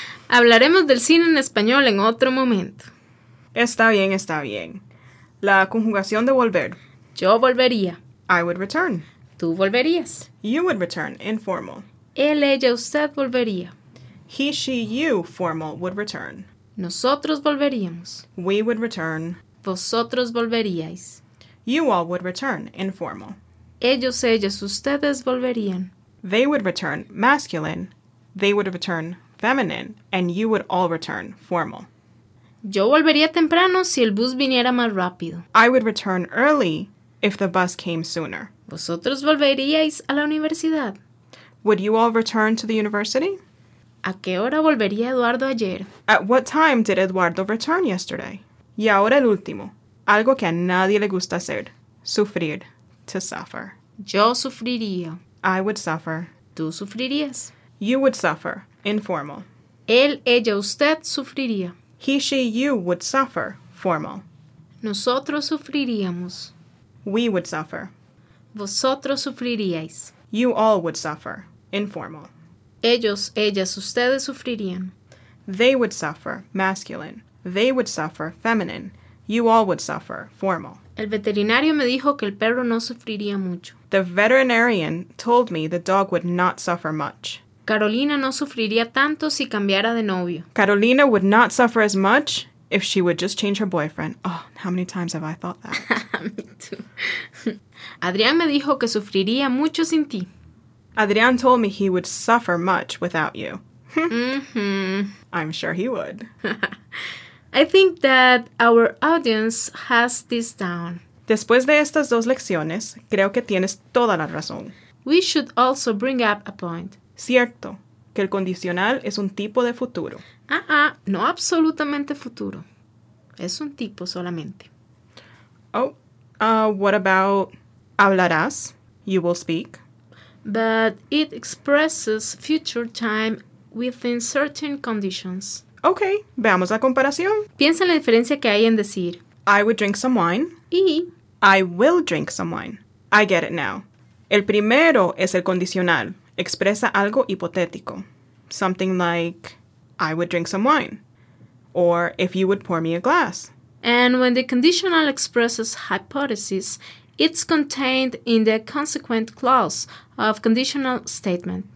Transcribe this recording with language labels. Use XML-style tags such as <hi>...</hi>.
<es>Hablaremos del cine en español en otro momento. Está bien, está bien. La conjugación de volver. Yo volvería.</es> <en>I would return.</en> <es>Tú volverías.</es> <en>You would return, informal.</en> <es>Él, ella, usted volvería.</es> <en>He, she, you, formal, would return.</en> <es>Nosotros volveríamos.</es> <en>We would return.</en> <es>Vosotros volveríais.</es> <en>You all would return, informal.</en> <es>Ellos, ellas, ustedes volverían.</es> <en>They would return, masculine. They would return, feminine. And you would all return, formal.</en> <es>Yo volvería temprano si el bus viniera más rápido.</es> <en>I would return early if the bus came sooner.</en> <es>¿Vosotros volveríais a la universidad?</es> <en>Would you all return to the university?</en> <es>¿A qué hora volvería Eduardo ayer?</es> <en>At what time did Eduardo return yesterday?</en> <es>Y ahora el último. Algo que a nadie le gusta hacer.</es> <en>Sufrir. To suffer.</en> <es>Yo sufriría.</es> <en>I would suffer.</en> <es>Tú sufrirías.</es> <en>You would suffer. Informal.</en> <es>Él, ella, usted sufriría.</es> <en>He, she, you would suffer. Formal.</en> <es>Nosotros sufriríamos.</es> <en>We would suffer.</en> <es>Vosotros sufriríais.</es> <en>You all would suffer. Informal.</en> <es>Ellos, ellas, ustedes sufrirían.</es> <en>They would suffer. Masculine. They would suffer. Feminine. You all would suffer. Formal.</en> <es>El veterinario me dijo que el perro no sufriría mucho.</es> <en>The veterinarian told me the dog would not suffer much.</en> <es>Carolina no sufriría tanto si cambiara de novio.</es> <en>Carolina would not suffer as much if she would just change her boyfriend. Oh, how many times have I thought that? Me too.</en> <es>Adrián me dijo que sufriría mucho sin ti.</es> <en>Adrián told me he would suffer much without you. Mm-hmm. I'm sure he would. I think that our audience has this down.</en> <es>Después de estas dos lecciones, creo que tienes toda la razón.</es> <en>We should also bring up a point.</en> <es>Cierto, que el condicional es un tipo de futuro. No absolutamente futuro. Es un tipo solamente.</es> <en>What about hablarás? You will speak. But it expresses future time within certain conditions.</en> <es>Okay, veamos la comparación. Piensa en la diferencia que hay en decir</es> <en>I would drink some wine.</en> <es>Y</es> <en>I will drink some wine. I get it now.</en> <es>El primero es el condicional. Expresa algo hipotético.</es> <en>Something like, I would drink some wine. Or, if you would pour me a glass. And when the conditional expresses hypothesis, it's contained in the consequent clause of conditional statement.</en>